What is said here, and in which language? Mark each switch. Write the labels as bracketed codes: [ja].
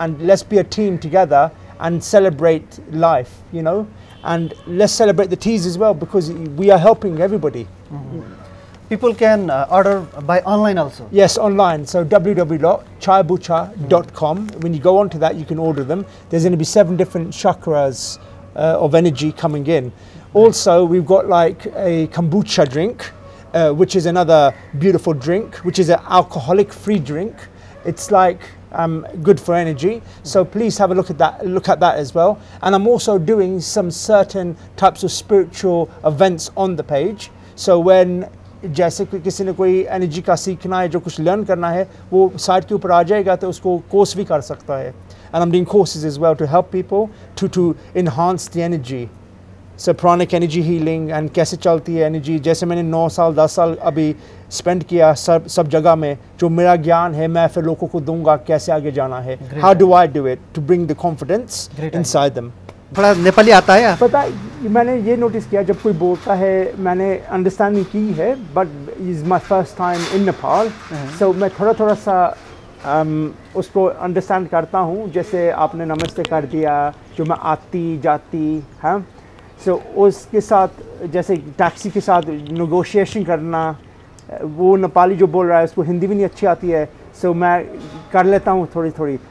[en] And let's be a team together and celebrate life, you know, and let's celebrate the teas as well, because we are helping everybody. People can order by online also. Yes, online. So www.chaibucha.com, when you go on to that you can order them. There is going to be 7 different chakras of energy coming in. Also, we've got like a kombucha drink, which is another beautiful drink, which is an alcoholic-free drink. It's like good for energy. So please have a look at that. Look at that as well. And I'm also doing some certain types of spiritual events on the page. [hi] So when जैसे कि किसी ने कोई energy का सीखना है, जो कुछ लर्न करना है, वो साइट के ऊपर आ जाएगा तो उसको कोर्स भी कर सकता है. [en] And I'm doing courses as well to help people to enhance the energy. So pranic energy healing and [hi] कैसे चलती है energy, जैसे मैंने 9-10 साल अभी spend किया सब जगह में, जो मेरा ज्ञान है मैं फिर लोगों को दूंगा कैसे आगे जाना है. [en] How do I do it to bring the confidence inside them? [hi] थोड़ा नेपाली आता है पता है. मैंने ये notice किया जब कोई बोलता है, मैंने understanding की है, [en] but it's my first time in Nepal, so [hi] मैं थोड़ा थोड़ा सा उसको understand करता हूँ. जैसे आपने नमस्ते कर दिया, जो मैं आती जाती है, तो उसके साथ जैसे टैक्सी के साथ नेगोशिएशन करना, वो नेपाली जो बोल रहा है उसको हिंदी भी नहीं अच्छी आती है, सो मैं कर लेता हूँ थोड़ी थोड़ी.